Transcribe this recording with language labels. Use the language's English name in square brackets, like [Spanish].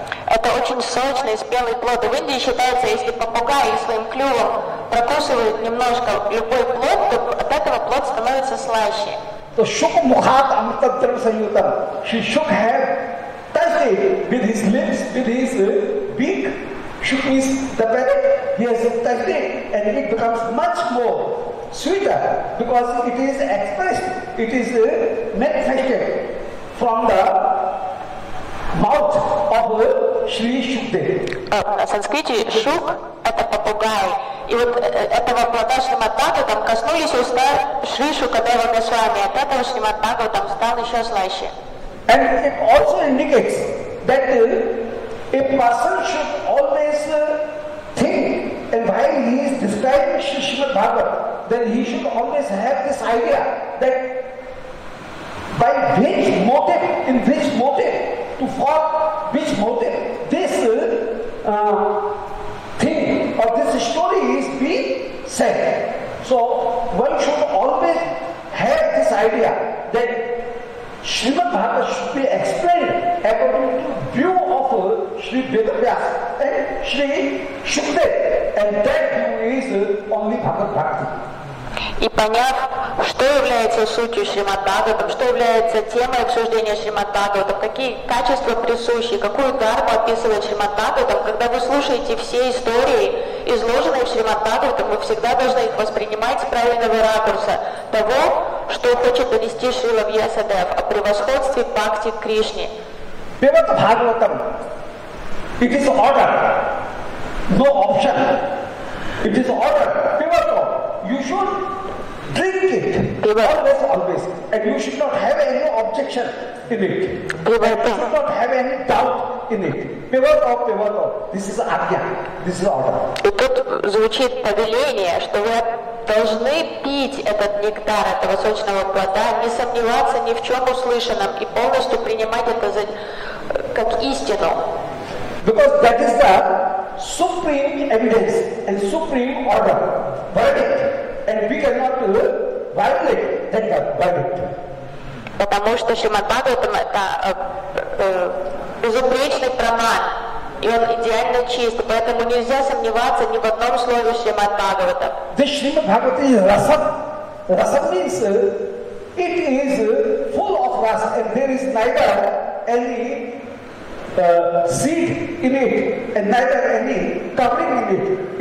[Russian] Это очень сочный, спелый плод. В Индии считается, если попугай своим клювом прокусывает немножко любой плод, то от этого плод становится слаще. [Sanskrit] То шук мухат амтат драм саньютам. [English] She shook her, touched it with his lips, with his beak. Shook is the parrot, he has touched it, and it becomes much more sweeter, because it is expressed, it is manifested from the mouth of Shri Shukdev. [Russian] На санскрите шук – это попугай. И вот этого плода Шримад Бхагаватам коснулись уста Шри Шукадева Госвами. От этого Шримад Бхагаватам стал еще слаще. [English] And it also indicates that a person should always think, and while he is describing Shri Shrimad Bhagavatam, then he should always have this idea that by which motive, in which motive, to follow which motive, this thing or this story is being said. So one should always have this idea that Srimad Bhagavatam should be explained according to view of Shri Vedavyas and Shri Shukdev, and that view is only Bhagavad Bhakti. [Russian] И поняв, что является сутью Шримад Бхагаватам, что является темой обсуждения Шримад Бхагаватам, какие качества присущи, какую дарму описывает Шримад Бхагаватам, когда вы слушаете все истории, изложенные в Шримад Бхагаватам, вы всегда должны их воспринимать с правильного ракурса того, что хочет донести Шрила Вьясадев о превосходстве Бхакти к Кришне. [English] Бхагавата Бхагаватам, it is order, no option, it is order. You should drink it, always, and you should not have any objection in it. Bhagavata. You should not have any doubt in it. Bhagavata. This is Agya, this is order. [Russian] И тут звучит повеление, что вы должны пить этот нектар, этого сочного плода, не сомневаться ни в чем услышанном и полностью принимать это за, как истину. [English] Because that is the supreme evidence and supreme order. Verdict. And we cannot violate that verdict. [Russian] Потому что Шримад Бхагаватам это безупречный праман, и он идеально чист, поэтому нельзя сомневаться ни в одном слове Шримад Бхагаватам. [English] The Shrimad Bhagavatam is rasam. Rasam means it is full of rasa, and there is neither any seed in it, and neither any covering in it.